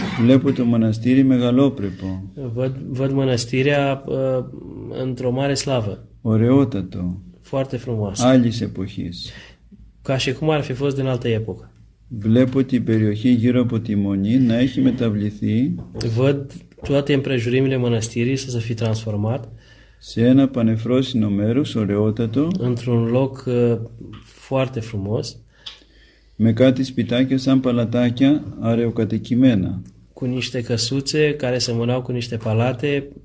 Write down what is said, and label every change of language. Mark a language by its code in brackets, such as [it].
[el] Βλέπω το μοναστήρι μεγαλόπρεπο. [ro] Văd mănăstirea într-o mare slavă. [el] Ωραιότατο. [ro] Foarte frumoasă. [el] Άλλης εποχής. [ro] Ca și cum ar fi fost din altă epocă. [el] Βλέπω την περιοχή γύρω από τη Μονή να έχει μεταβληθεί [ro] Văd toate împrejurimile mănăstirii să se fi transformat [el] σε ένα πανεφρόσινο μέρος, ωραιότατο [ro] într-un loc foarte frumos [el] με κάτι σπιτάκια σαν παλατάκια αραιοκατοικημένα [ro] cu niște căsuțe care semănau cu niște palate